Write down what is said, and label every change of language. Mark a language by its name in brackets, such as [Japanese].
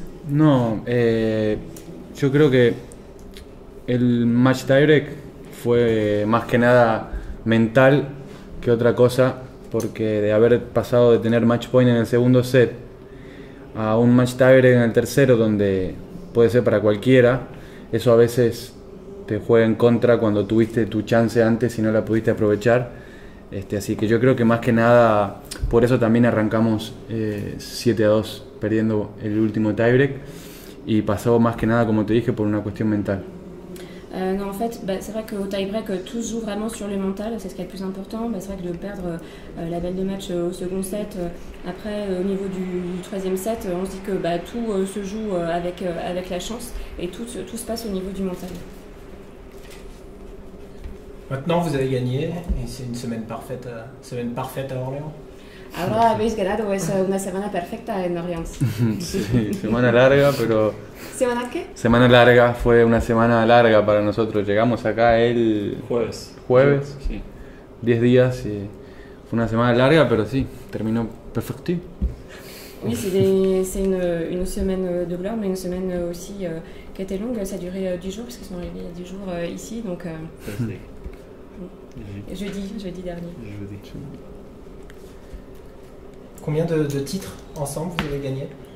[Spanish] No, yo creo que el match tiebreak fue más que nada mental que otra cosa, porque de haber pasado de tener match point en el segundo set a un match tiebreak en el tercero, donde puede ser para cualquiera, eso a veces te juega en contra cuando tuviste tu chance antes y no la pudiste aprovechar. Así que yo creo que más que nada por eso también arrancamos 7-2 perdiendo el último tiebreak, y pasó más que nada, como te dije, por una cuestión mental. [French] Non, en fait, bah, c'est vrai qu'au tie-break, tout se joue vraiment sur le mental, c'est ce qui est le plus important. Bah, c'est vrai que de perdre la balle de match au second set, après au niveau du troisième set, on se dit que bah, tout se joue avec la chance, et tout se passe au niveau du mental. Maintenant, vous avez gagné, et c'est une semaine parfaite à Orléans. [Spanish] Ahora habéis ganado, es una semana perfecta en Orleans. Sí, semana larga, pero... ¿Semana qué? Semana larga, fue una semana larga para nosotros. Llegamos acá el... Jueves. ¿Jueves? Sí. 10 días, y fue una semana larga, pero sí, terminó perfecto. [French] Oui, c'est une semaine de blur, mais une semaine aussi qui était longue. Ça a duré 10 jours, parce qu'ils sont arrivés il y a 10 jours ici. Donc, jeudi dernier. Jeudi. Combien de titres ensemble vous avez gagné?